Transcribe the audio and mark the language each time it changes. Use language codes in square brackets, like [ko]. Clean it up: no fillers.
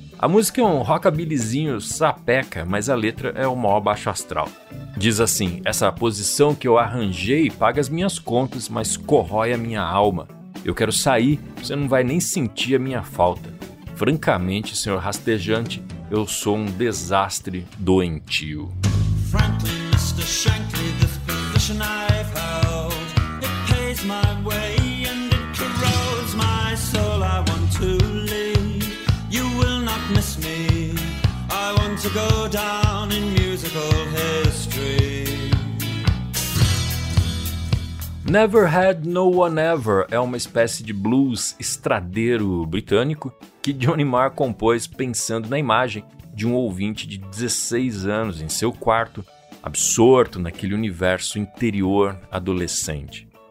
[pt] A música é um rockabilizinho sapeca, mas a letra é o maior baixo astral. Diz assim: essa posição que eu arranjei paga as minhas contas, mas corrói a minha alma. Eu quero sair, você não vai nem sentir a minha falta. Francamente, senhor rastejante, eu sou um desastre doentio. [en] Frankly, Mr. Shankly, this position I've held, it pays my way and it corrodes my soul. I want to leave, you will not miss me. I want to go down in musical history. [pt] Never Had No One Ever é uma espécie de blues estradeiro britânico que Johnny Marr compôs pensando na imagem de um ouvinte de 16 anos em seu quarto, absorto naquele universo interior adolescente.